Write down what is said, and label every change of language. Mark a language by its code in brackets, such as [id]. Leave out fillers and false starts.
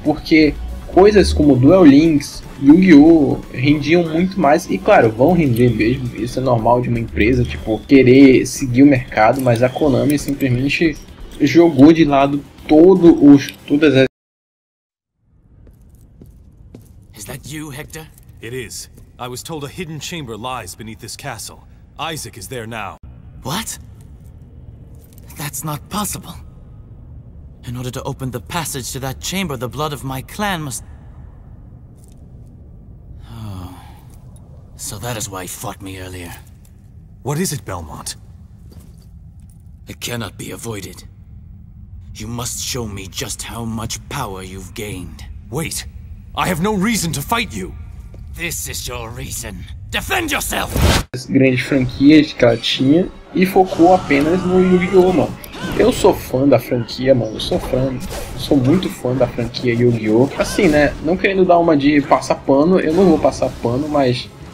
[pt] Porque coisas como Duel Links, Yu-Gi-Oh! Rendiam muito mais, e claro, vão render mesmo, isso é normal de uma empresa, tipo, querer seguir o mercado, mas a Konami simplesmente jogou de lado todas as... [en] Is that you, Hector? It is. I was told a hidden chamber lies beneath this castle. Isaac is there now. What? That's not possible. In order to open the passage to that chamber, the blood of my clan must... So that is why he fought me earlier. What is it, Belmont? It cannot be avoided. You must show me just how much power you've gained. Wait! I have no reason to fight you! This is your reason! Defend yourself! [pt] As grandes franquias que ela tinha e focou apenas no Yu-Gi-Oh, mano. Eu sou fã da franquia, mano. Sou muito fã da franquia Yu-Gi-Oh. Assim, né? Não querendo dar uma de passar pano, eu não vou passar pano, mas...